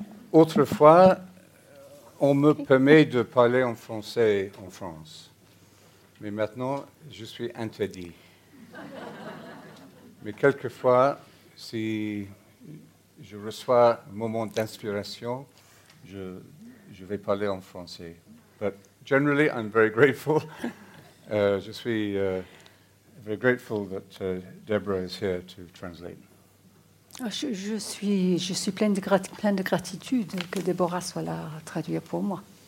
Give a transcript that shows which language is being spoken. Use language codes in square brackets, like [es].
[fr] Autrefois, on me permet de parler en français en France. Mais maintenant, je suis interdit. Mais quelquefois, si je reçois un moment d'inspiration, je vais parler en français. [en] But generally, I'm very grateful. [fr] Je suis [en] very grateful that Deborah is here to translate. [fr] Je suis pleine de gratitude que Deborah soit là à traduire pour moi.